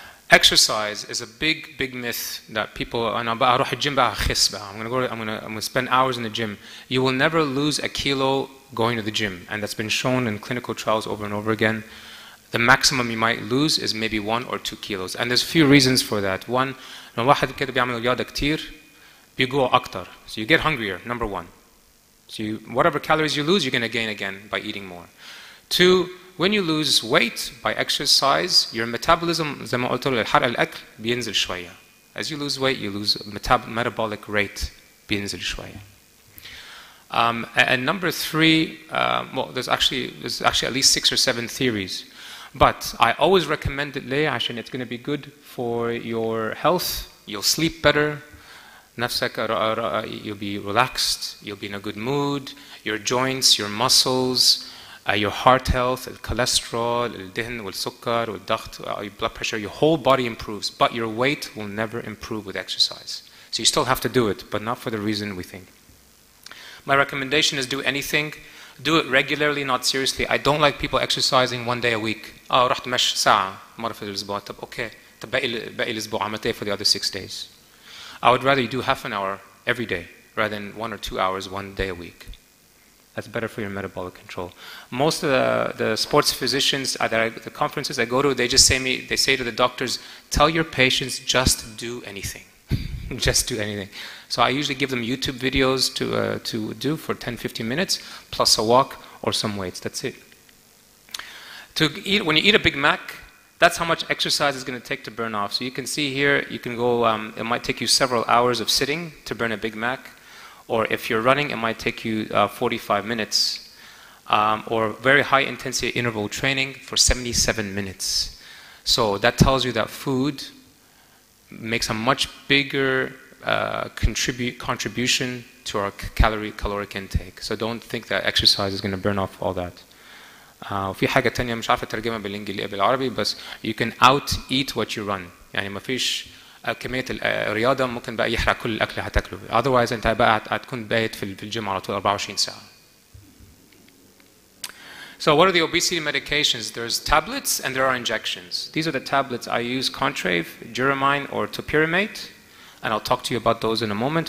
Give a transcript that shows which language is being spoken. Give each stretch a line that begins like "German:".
English: exercise is a big, big myth that people, I'm going to spend hours in the gym. You will never lose a kilo going to the gym. And that's been shown in clinical trials over and over again. The maximum you might lose is maybe 1 or 2 kilos. And there's a few reasons for that.
Arabic: One, الواحد كده بيعمل رياضة كتير بيجوع أكتر.
English: So you get hungrier, number one. So you, whatever calories you lose, you're going to gain again by eating more. Two, when you lose weight by exercise, your metabolism,
Arabic: زي ما قلت له الحرق الأكل بينزل شوية.
English: As you lose weight, you lose metabolic rate
Arabic: بينزل شوية.
English: And number three, there's actually at least 6 or 7 theories. But I always recommend it, عشان it's going to be good for your health. You'll sleep better. نفسك you'll be relaxed. You'll be in a good mood. Your joints, your muscles, your heart health, the cholesterol, the
Arabic: الدهن والسكر والضغط,
English: your blood pressure, your whole body improves. But your weight will never improve with exercise. So you still have to do it, but not for the reason we think. My recommendation is do anything. Do it regularly, not seriously. I don't like people exercising one day a week.
Arabic: Oh, رحت مش ساعة مرة في الأسبوع. طب okay. طب باقي الأسبوع عملت إيه
English: for the other 6 days. I would rather you do half an hour every day rather than 1 or 2 hours one day a week. That's better for your metabolic control. Most of the sports physicians that the conferences I go to, they say to the doctors, tell your patients just do anything. Just do anything. So I usually give them YouTube videos to do for 10-15 minutes, plus a walk or some weights. That's it. To eat, when you eat a Big Mac, that's how much exercise is going to take to burn off. So you can see here, you can go, it might take you several hours of sitting to burn a Big Mac. Or if you're running, it might take you 45 minutes. Or very high intensity interval training for 77 minutes. So that tells you that food makes a much bigger contribution to our caloric intake. So don't think that exercise is going to burn off all that.
Arabic: وفي حاجة تانية مش عارفة ترجمها بالإنجليزي بالعربي بس
English: you can out-eat what you run.
Arabic: يعني ما فيش كمية الرياضة ممكن بقى يحرق كل الأكل هتاكله. Otherwise أنت بقى هتكون بايت في الجيم على طول 24 ساعة.
English: So what are the obesity medications? There's tablets and there are injections. These are the tablets I use, Contrave, Duramine, or Topiramate. And I'll talk to you about those in a moment.